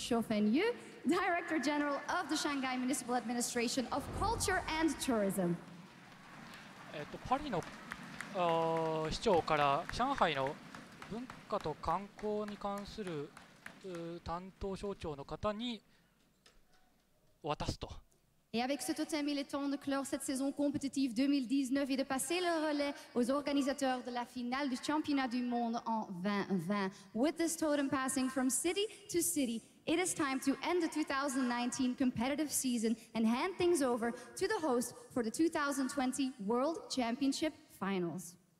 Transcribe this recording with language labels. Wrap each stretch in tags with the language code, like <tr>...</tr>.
<en>Shaofen Yu, Director General of the Shanghai Municipal Administration of Culture and Tourism.</en> <ja>パリの市長から上海の文化と観光に関する担当省庁の方に渡すと。</ja> <fr>Et avec ce totem, il est temps de clore cette saison compétitive 2019 et de passer le relais aux organisateurs de la finale du championnat du monde en 2020.</fr> <en>With this totem passing from city to city, it is time to end the 2019 competitive season and hand things over to the host for the 2020 World Championship Finals.</en>